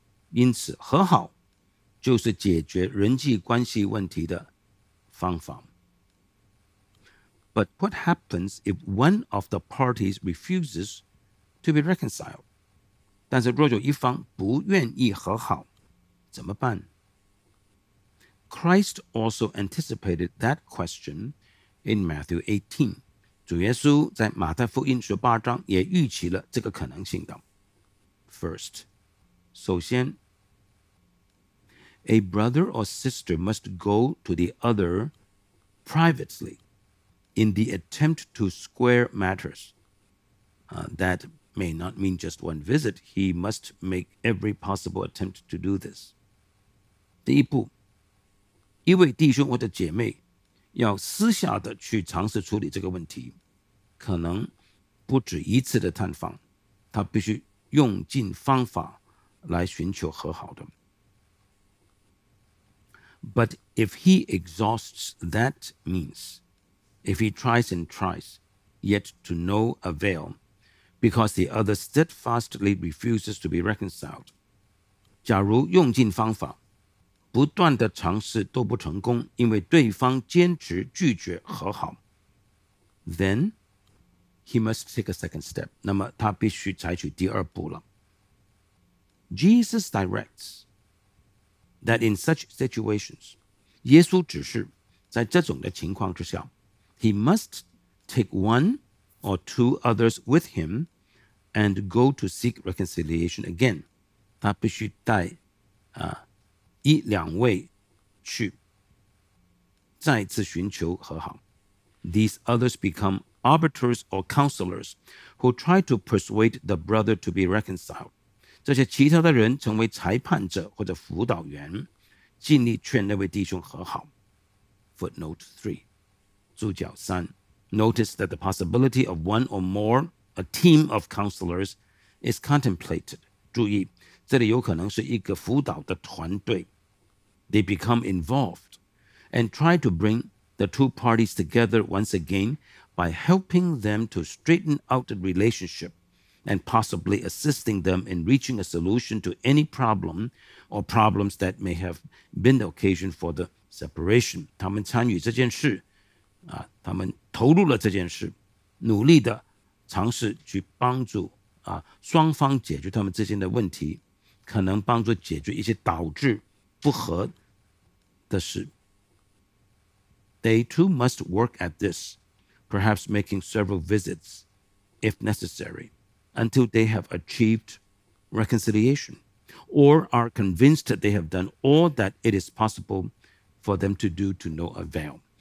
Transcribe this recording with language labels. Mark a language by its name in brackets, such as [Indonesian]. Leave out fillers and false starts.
[Chinese] 因此和好就是解决人际关系问题的方法。 [English] But what happens if one of the parties refuses to be reconciled? [Chinese] 但是若有一方不愿意和好，怎么办？ [English] Christ also anticipated that question in Matthew 18. [Chinese] 主耶稣在马太福音十八章也预期了这个可能性的。 [English] First, [Chinese] 首先， [English] A brother or sister must go to the other privately in the attempt to square matters. That may not mean just one visit. He must make every possible attempt to do this. [Chinese] 第一步，一位弟兄或者姐妹要私下的去尝试处理这个问题，可能不止一次的探访，他必须用尽方法来寻求和好的。 [English] But if he exhausts that means, if he tries and tries, yet to no avail, because the other steadfastly refuses to be reconciled. [Chinese] 假如用尽方法，不断的尝试都不成功，因为对方坚持拒绝和好。 [English] Then he must take a second step. [Chinese] 那么他必须采取第二步了。 [English] Jesus directs that in such situations, [Chinese] 耶稣指示在这种的情况之下 [English] he must take one or two others with him and go to seek reconciliation again. [Chinese] 他必须带一两位去再次寻求和好。 [English] These others become arbiters or counselors who try to persuade the brother to be reconciled. [Chinese] 这些其他的人成为裁判者或者辅导员，尽力劝那位弟兄和好。 [English] Footnote 3, [Chinese] 注脚三。 [English] Notice that the possibility of one or more, a team of counselors, is contemplated. [Chinese] 注意，这里有可能是一个辅导的团队。 [English] They become involved and try to bring the two parties together once again by helping them to straighten out the relationship and possibly assisting them in reaching a solution to any problem or problems that may have been the occasion for the separation. [Chinese] 他们参与这件事，他们投入了这件事，努力的尝试去帮助双方解决他们之间的问题，可能帮助解决一些导致不和的事。 [English] They too must work at this, perhaps making several visits, if necessary, until they have achieved reconciliation, or are convinced that they have done all that it is possible for them to do to no avail.